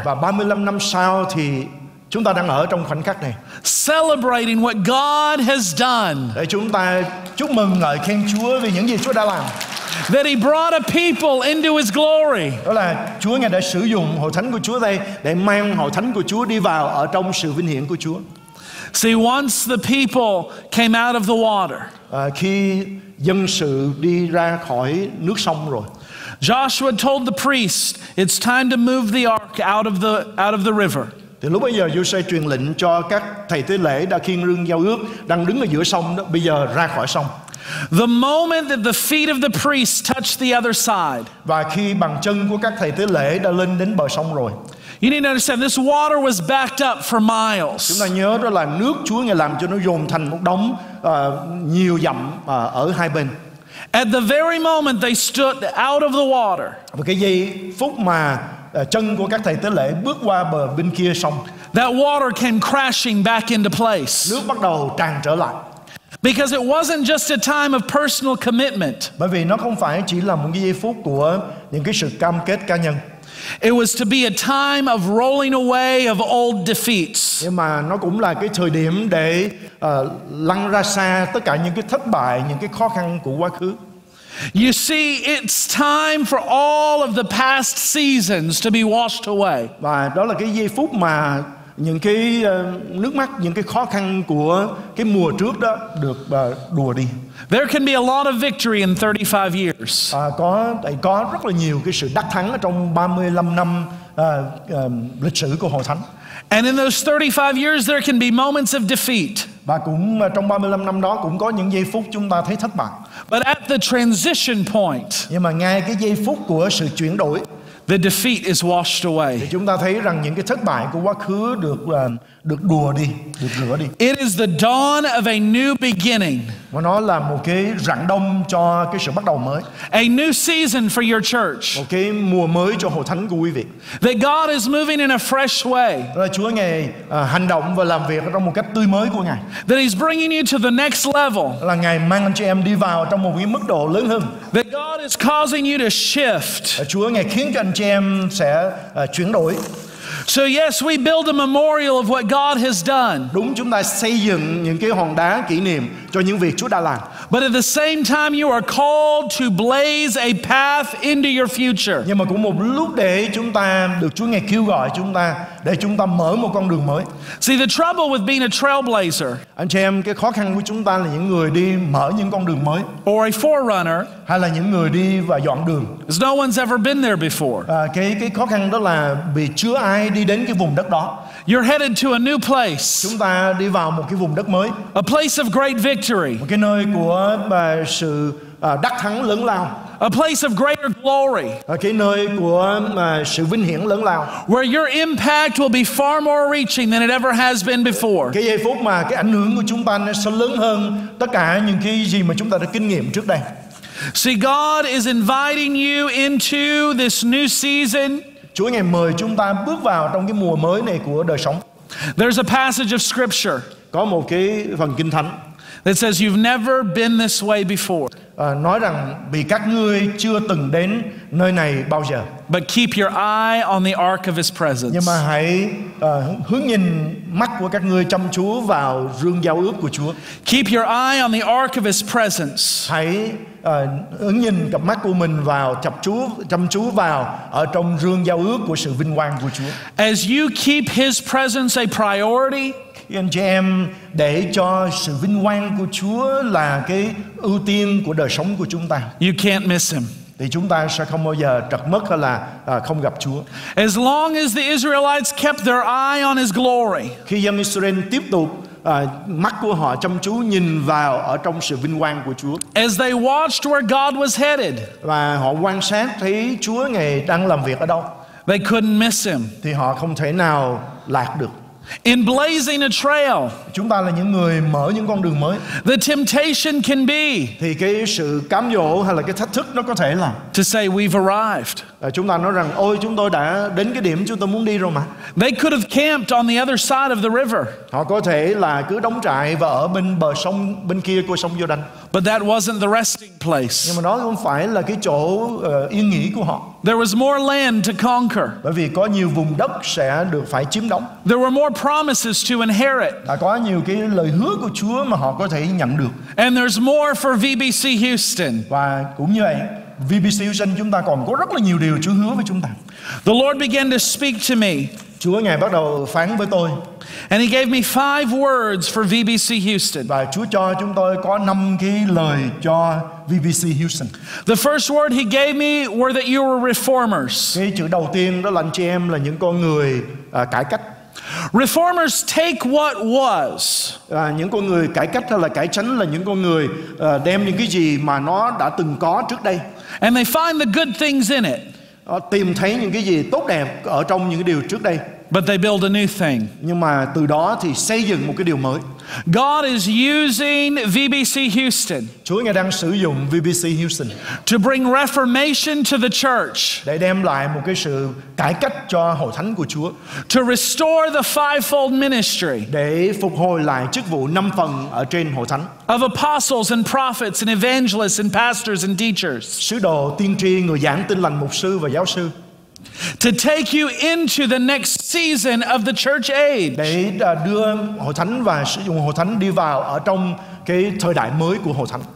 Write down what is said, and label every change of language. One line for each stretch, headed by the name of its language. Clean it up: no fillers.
Vietnamese: Và 35 năm sau thì chúng ta đang ở trong khoảnh khắc này.
English: Celebrating what God has done.
Vietnamese: Để chúng ta chúc mừng ngợi khen Chúa vì những gì Chúa đã làm.
English: That He brought a people into His glory.
Vietnamese: Đó là Chúa ngài đã sử dụng hội thánh của Chúa đây để mang hội thánh của Chúa đi vào ở trong sự vinh hiển của Chúa.
English: See, once the people came out of the water.
Vietnamese: Khi dân sự đi ra khỏi nước sông rồi.
English: Joshua told the priest, "It's time to move the ark out of the river."
Vietnamese: Thì lúc bây giờ Joshua truyền lệnh cho các thầy tế lễ đã khiêng rương giao ước đang đứng ở giữa sông đó, bây giờ ra khỏi sông.
English: The moment that the feet of the priest touched the other side.
Vietnamese: Và khi bàn chân của các thầy tế lễ đã lên đến bờ sông rồi.
English: You need to understand this water was backed up for miles.
Vietnamese: Chúng ta nhớ đó là nước Chúa ngài làm cho nó dồn thành một đống nhiều dặm ở hai bên.
English: At the very moment they stood out of the water.
Vietnamese: Và cái giây phút mà chân của các thầy tế lễ bước qua bờ bên kia sông.
English: That water came crashing back into place.
Vietnamese: Nước bắt đầu tràn trở lại.
English: Because it wasn't just a time of personal commitment.
Vietnamese: Bởi vì nó không phải chỉ là một giây phút của những cái sự cam kết cá nhân.
English: It was to be a time of rolling away of old defeats.
Vietnamese: Nhưng mà nó cũng là cái thời điểm để lăn ra xa tất cả những cái thất bại, những cái khó khăn của quá khứ.
English: You see, it's time for all of the past seasons to be washed away.
Vietnamese: Và đó là cái giây phút mà những cái nước mắt, những cái khó khăn của cái mùa trước đó được đùa đi.
English: There can be a lot of victory in 35 years.
Vietnamese: Có rất là nhiều cái sự đắc thắng trong 35 năm lịch sử của Hội Thánh.
English: And in those 35 years, there can be moments of defeat.
Vietnamese: Và cũng trong 35 năm đó cũng có những giây phút chúng ta thấy thất bại.
English: But at the transition point,
Vietnamese: nhưng mà ngay cái giây phút của sự chuyển đổi,
English: the defeat is washed away.
Vietnamese: Thì chúng ta thấy rằng những cái thất bại của quá khứ được đùa đi, được rửa đi.
English: It is the dawn of a new beginning.
Vietnamese: Và nó là một cái rạng đông cho cái sự bắt đầu mới.
English: A new season for your church.
Vietnamese: Một cái mùa mới cho hội thánh của quý vị.
English: That God is moving in a fresh way.
Vietnamese: Là Chúa ngài hành động và làm việc trong một cách tươi mới của ngài.
English: That He's bringing you to the next level.
Vietnamese: Là ngài mang anh chị em đi vào trong một cái mức độ lớn hơn.
English: That God is causing you to shift.
Vietnamese: Chúa ngài khiến cho anh chị em sẽ chuyển đổi.
English: So yes, we build a memorial of what God has done.
Vietnamese: Đúng, chúng ta xây dựng những cái hòn đá kỷ niệm cho những việc Chúa đã làm.
English: But at the same time, you are called to blaze a path into your future.
Vietnamese: Nhưng mà cũng một lúc để chúng ta được Chúa ngài kêu gọi chúng ta để chúng ta mở một con đường mới.
English: See, the trouble with being a trailblazer.
Vietnamese: Anh chị em, cái khó khăn của chúng ta là những người đi mở những con đường mới.
English: Or a forerunner.
Vietnamese: Hay là những người đi và dọn đường.
English: No one's ever been there before.
Vietnamese: Cái khó khăn đó là vì chưa ai đi đến cái vùng đất đó.
English: You're headed to a new place.
Vietnamese: Chúng ta đi vào một cái vùng đất mới.
English: A place of great victory.
Vietnamese: Một cái nơi của sự đắc thắng lớn lao.
English: A place of greater glory.
Vietnamese: Cái nơi của sự vinh hiển lớn lao.
English: Where your impact will be far more reaching than it ever has been before.
Vietnamese: Cái giây phút mà cái ảnh hưởng của chúng ta sẽ lớn hơn tất cả những cái gì mà chúng ta đã kinh nghiệm trước đây.
English: See, God is inviting you into this new season.
Vietnamese: Chúa ngài mời chúng ta bước vào trong cái mùa mới này của đời sống.
English: There's a passage of scripture.
Vietnamese: Có một cái phần kinh thánh.
English: That says you've never been this way before.
Vietnamese: Nói rằng vì các ngươi chưa từng đến nơi này bao giờ.
English: But keep your eye on the ark of His presence.
Vietnamese: Nhưng mà hãy hướng nhìn mắt của các ngươi chăm chú vào rương giao ước của Chúa.
English: Keep your eye on the ark of His presence.
Vietnamese: Hãy hướng nhìn cặp mắt của mình vào chăm chú vào ở trong rương giao ước của sự vinh quang của Chúa.
English: As you keep His presence a priority,
Vietnamese: anh chị em để cho sự vinh quang của Chúa là cái ưu tiên của đời sống của chúng ta.
English: You can't miss Him.
Vietnamese: thì chúng ta sẽ không bao giờ trật mất hay là không gặp Chúa.
English: As long as the Israelites kept their eye on His glory.
Vietnamese: Khi dân Israel tiếp tục mắt của họ chăm chú nhìn vào ở trong sự vinh quang của Chúa.
English: As they watched where God was headed.
Vietnamese: Và họ quan sát thấy Chúa ngày đang làm việc ở đâu.
English: They couldn't miss Him.
Vietnamese: Thì họ không thể nào lạc được.
English: In blazing a trail.
Vietnamese: Chúng ta là những người mở những con đường mới.
English: The temptation can be.
Vietnamese: Thì cái sự cám dỗ hay là cái thách thức nó có thể là.
English: To say we've arrived.
Vietnamese: Chúng ta nói rằng, ôi chúng tôi đã đến cái điểm chúng tôi muốn đi rồi mà.
English: They could have camped on the other side of the river.
Vietnamese: Họ có thể là cứ đóng trại và ở bên bờ sông bên kia của sông Giô-đanh.
English: But that wasn't the resting place.
Vietnamese: Nhưng mà đó không phải là cái chỗ yên nghỉ của họ.
English: There was more land to conquer.
Vietnamese: Bởi vì có nhiều vùng đất sẽ được phải chiếm đóng.
English: There were more promises to inherit.
Vietnamese: Đã có nhiều cái lời hứa của Chúa mà họ có thể nhận được.
English: And there's more for VBC Houston.
Vietnamese: Và cũng như vậy, VBC Houston chúng ta còn có rất là nhiều điều Chúa hứa với chúng ta.
English: The Lord began to speak to me.
Vietnamese: Chúa ngài bắt đầu phán với tôi.
English: And He gave me 5 words for VBC Houston.
Vietnamese: Và Chúa cho chúng tôi có 5 cái lời cho VBC Houston.
English: The first word He gave me were that you were reformers.
Vietnamese: Cái chữ đầu tiên đó là anh chị em là những con người cải cách.
English: Reformers take what was.
Vietnamese: Những con người cải cách hay là cải chánh là những con người đem những cái gì mà nó đã từng có trước đây.
English: And they find the good things in it.
Vietnamese: Tìm thấy những cái gì tốt đẹp ở trong những cái điều trước đây.
English: But they build a new thing.
Vietnamese: Nhưng mà từ đó thì xây dựng một cái điều mới.
English: God is using VBC Houston.
Vietnamese: Chúa ngài đang sử dụng VBC Houston
English: to bring reformation to the church.
Vietnamese: Để đem lại một cái sự cải cách cho hội thánh của Chúa.
English: To restore the fivefold ministry.
Vietnamese: Để phục hồi lại chức vụ năm phần ở trên hội thánh.
English: Of apostles and prophets and evangelists and pastors and teachers.
Vietnamese: Sứ đồ, tiên tri, người giảng tin lành, mục sư và giáo sư.
English: To take you into the next season of the church age.
Vietnamese: Để đưa hội thánh và sử dụng hội thánh đi vào ở trong cái thời đại mới của hội thánh.